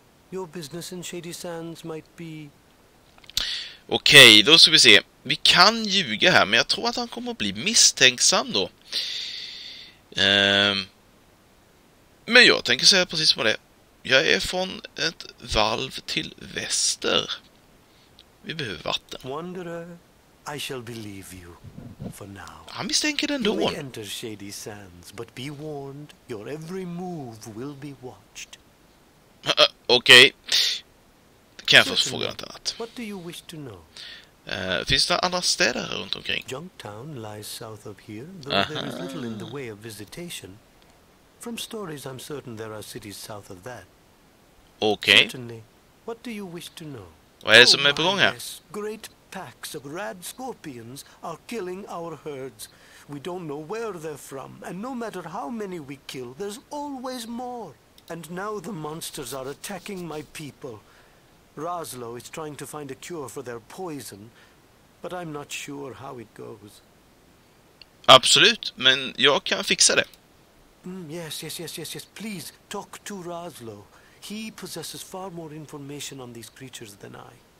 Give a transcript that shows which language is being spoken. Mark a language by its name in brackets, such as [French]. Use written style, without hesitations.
[English] Your business in Shady Sands might be... [Swedish] Okej, då ska vi se. Vi kan ljuga här, men jag tror att han kommer att bli misstänksam då. Men jag tänker säga precis som det. Jag är från ett valv till väster. Vi behöver vatten. [English] Wanderer, I shall believe you for now. [Swedish] Han misstänker den då. [English] You enter Shady Sands, but be warned, your every move will be watched. [Swedish] Okej. Kan jag först fråga något annat? [English] What do you wish to know? [Swedish] Finns det andra städer här runt omkring? [English] Junktown lies south of here, though there is little in the way of visitation. From stories, I'm certain there are cities south of that. Okay. Certainly. What do you wish to know? [Swedish] Vad är det som är på gång här? [English] Yes. Great packs of rad scorpions are killing our herds. We don't know where they're from, and no matter how many we kill, there's always more. And now the monsters are attacking my people. Roslo is trying to find a cure for their poison, but I'm not sure how it goes. [Swedish] Absolut, men jag kan fixa det. [English] Yes. Please talk to Roslo. He possesses far more information on these creatures than I.